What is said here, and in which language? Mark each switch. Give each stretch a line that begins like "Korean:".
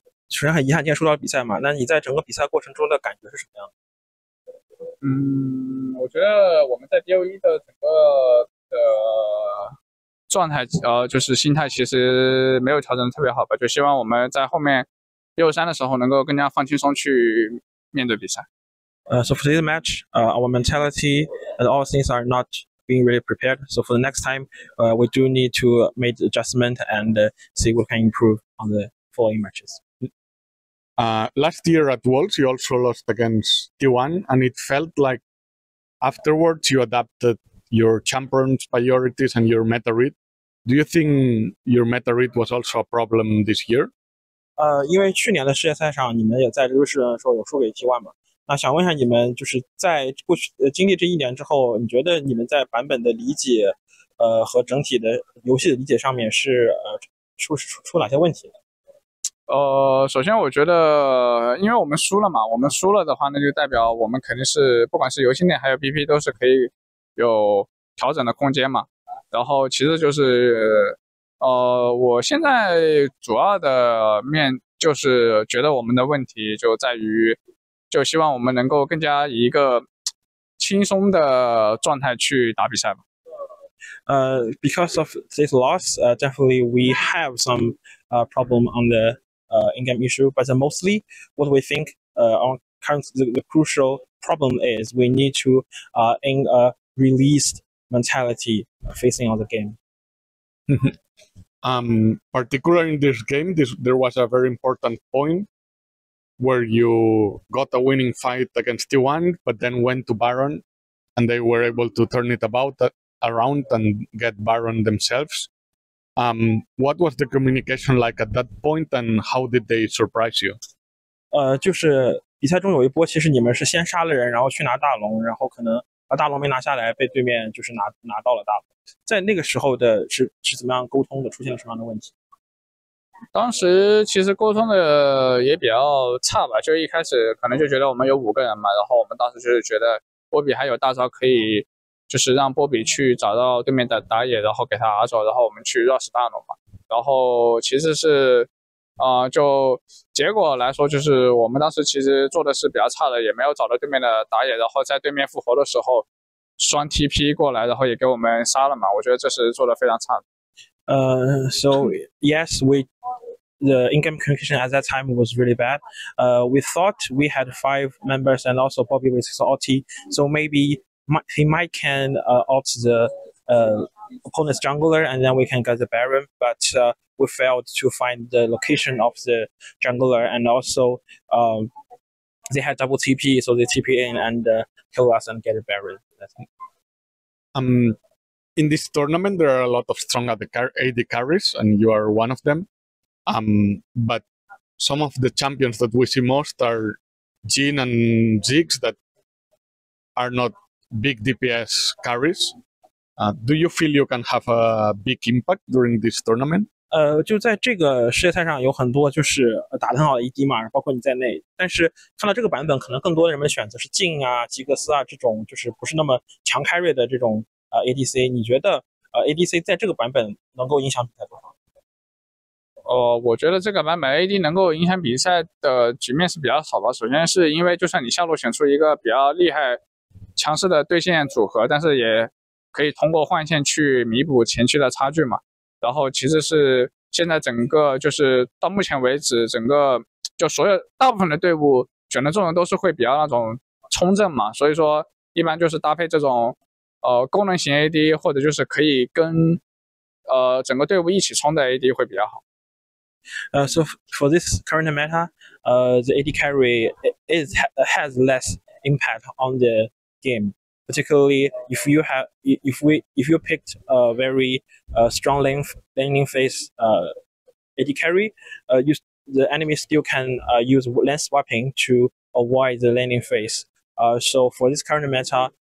Chinese: 虽然很遗憾今天输到比赛嘛，那你在整个比赛过程中的感觉是什么样？我觉得我们在 DOE 的整个的状态，就是心态其实没有调整特别好吧，就希望我们在后面6-3的时候能够更加放轻松去面对比赛。
English: So for this match, our mentality and all things are not being really prepared. So for the next time, we do need to make adjustment and see what can improve on the following matches. Last year at Worlds, you also lost against T1, and it felt like afterwards you adapted your champion's priorities and your meta read. Do you think your meta read was also a problem this year?
Chinese: 因为去年的世界赛上，你们也在瑞士的时候有输给 T1 嘛？那想问一下你们，就是在过去经历这一年之后，你觉得你们在版本的理解，和整体的游戏的理解上面是出哪些问题？首先我觉得因为我们输了嘛，我们输了的话那就代表我们肯定是不管是游戏内还有 BP 都是可以有调整的空间嘛。然后其实就是我现在主要的面就是觉得我们的问题就在于，就希望我们能够更加以一个轻松的状态去打比赛吧。
English: Because of this loss, definitely we have some problem on thein-game issue, but mostly what we think our current the crucial problem is we need to in a released mentality facing all the game. Particularly in this game, there was a very important point where you got a winning fight against T1, but then went to Baron and they were able to turn it around and get Baron themselves. What was the communication like at that point, and how did they surprise you?
Chinese: 就是比赛中有一波，其实你们是先杀了人，然后去拿大龙，然后可能把大龙没拿下来，被对面就是拿到了大龙。在那个时候的是怎么样沟通的？出现了什么样的问题？当时其实沟通的也比较差吧，就一开始可能就觉得我们有五个人嘛，然后我们当时就是觉得波比还有大招可以。就是让波比去找到对面的打野，然后给他打走，然后我们去 rush 大龙嘛。然后其实是，就结果来说，就是我们当时其实做的是比较差的，也没有找到对面的打野，然后在对面复活的时候，双 TP 过来，然后也给我们杀了嘛。我觉得这是做的非常差的。
English: So yes, the in-game communication at that time was really bad. We thought we had 5 members and also Bobby with 6 OT, so maybe. He might can out the opponent's jungler and then we can get the Baron, but we failed to find the location of the jungler and also they had double TP, so they TP in and kill us and get a Baron. In this tournament, there are a lot of strong AD carries and you are one of them. But some of the champions that we see most are Jhin and Ziggs that are not big DPS carries. Do you feel you can have a big impact during this tournament?
Chinese: 就在这个世界赛上有很多就是打得很好的 ED 嘛，包括你在内。但是看到这个版本，可能更多的人们选择是静啊、吉格斯啊这种就是不是那么强 carry 的这种ADC。你觉得ADC 在这个版本能够影响比赛多少？我觉得这个版本 AD 能够影响比赛的局面是比较少吧。首先是因为就算你下路选出一个比较厉害。强势的对线组合，但是也可以通过换线去弥补前期的差距嘛。然后其实是现在整个就是到目前为止，整个就所有大部分的队伍选的阵容都是会比较那种冲阵嘛，所以说一般就是搭配这种功能型 AD 或者就是可以跟整个队伍一起冲的 AD 会比较好。
English: So for this current meta, the AD carry is has less impact on the game, particularly if you picked a very strong laning phase AD carry, the enemy still can use lane swapping to avoid the laning phase. So for this current meta,